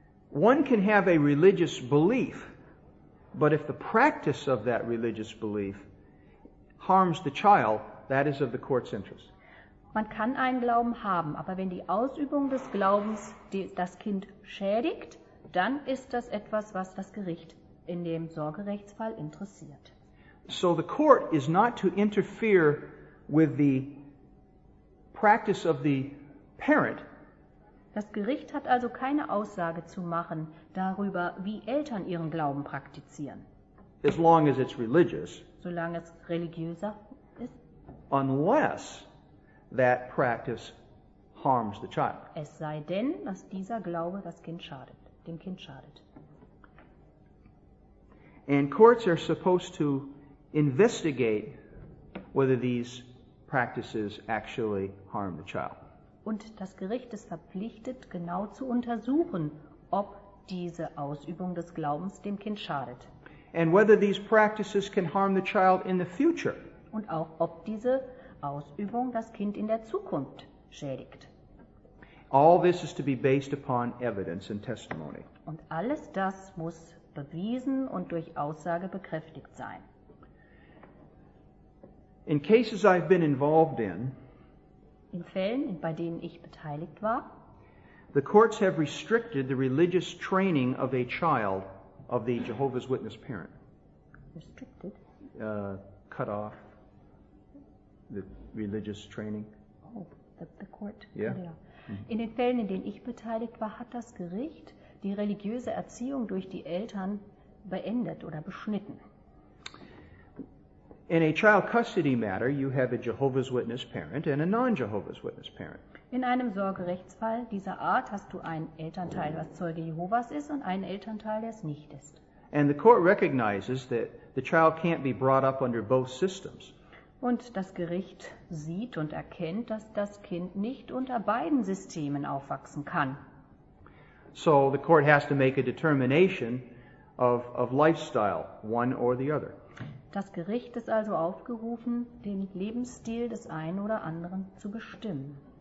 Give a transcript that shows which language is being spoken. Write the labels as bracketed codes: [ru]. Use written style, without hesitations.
[en] One can have a religious belief, but if the practice of that religious belief harms the child, that is of the court's interest. [de] Man kann einen Glauben haben, aber wenn die Ausübung des Glaubens das Kind schädigt, dann ist das etwas, was das Gericht in dem Sorgerechtsfall interessiert. [en] So the court is not to interfere with the practice of the parent. [de] Das Gericht hat also keine Aussage zu machen darüber, wie Eltern ihren Glauben praktizieren. [en] As long as it's religious. [de] Solange es religiöser ist. [en] Unless that practice harms the child. [de] Es sei denn, dass dieser Glaube das Kind schadet, dem Kind schadet. [en] And courts are supposed to investigate whether these practices actually harm the child. [de] Und das Gericht ist verpflichtet, genau zu untersuchen, ob diese Ausübung des Glaubens dem Kind schadet. [en] And whether these practices can harm the child in the future. [de] Und auch, ob diese Ausübung das Kind in der Zukunft schädigt. [en] All this is to be based upon evidence and testimony. [de] Und alles das muss bewiesen und durch Aussage bekräftigt sein. [en] In cases I've been involved [de] in Fällen, bei denen ich beteiligt war, [en] the courts have restricted the religious training of a child of the Jehovah's Witness parent. Restricted? Cut off the religious training. Oh, the court. Yeah. [de] In den Fällen, in denen ich beteiligt war, hat das Gericht die religiöse Erziehung durch die Eltern beendet oder beschnitten. [en] In a child custody matter, you have a Jehovah's Witness parent and a non-Jehovah's Witness parent. [de] In einem Sorgerechtsfall dieser Art hast du einen Elternteil, was Zeuge Jehovas ist, und einen Elternteil, der es nicht ist. [en] And the court recognizes that the child can't be brought up under both systems. [de] Und das Gericht sieht und erkennt, dass das Kind nicht unter beiden Systemen aufwachsen kann. [en] So the court has to make a determination of lifestyle, one or the other. [de] Das Gericht ist also aufgerufen, den Lebensstil des einen oder anderen zu bestimmen.